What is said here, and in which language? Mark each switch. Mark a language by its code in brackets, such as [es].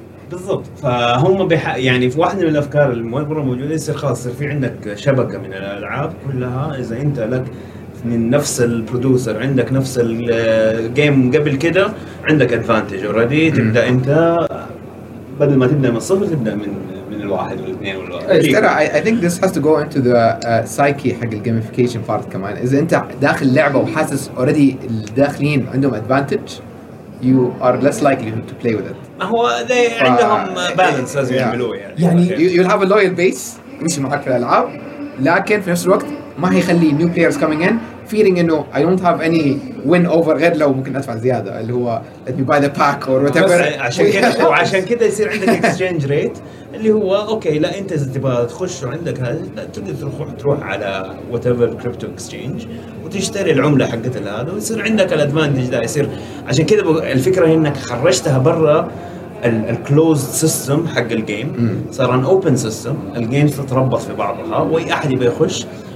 [ar] بالضبط فهم يعني في واحده من الافكار المره موجوده يصير خلاص يصير في عندك شبكه من الالعاب كلها اذا انت لك من نفس البرودوسر عندك نفس الجيم قبل كده عندك ادفانتج اوريدي تبدا انت بدل ما تبدا من الصفر تبدا من [en] I think this has to go into the psyche [ar] حق ال [en] gamification part [ar] كمان. إذا أنت داخل لعبة وحاسس [en] already [ar] الداخلين عندهم [en] advantage, you are less likely to play with it. [ar] هو ده عندهم balance لازم يعملوه يعني. يعني [en] you have a loyal base [ar] يمشي معك في الألعاب, لكن في نفس الوقت ما هيخلي [en] new players coming in feeling [ar] إنه [en] I don't have any win over [ar] غير لو ممكن أدفع زيادة اللي هو [en] let me buy the pack or whatever. [ar] عشان كده يصير عندك exchange rate. اللي هو اوكي لا انت اذا تبغى تخش عندك تروح على [en] whatever crypto exchange [ar] وتشتري العمله حقت هذا ويصير عندك الادفانتج ده يصير عشان كده الفكره انك خرجتها برا الكلوزد سيستم حق الجيم صار ان اوبن سيستم الجيمز تتربط في بعضها واي احد يبغى يخش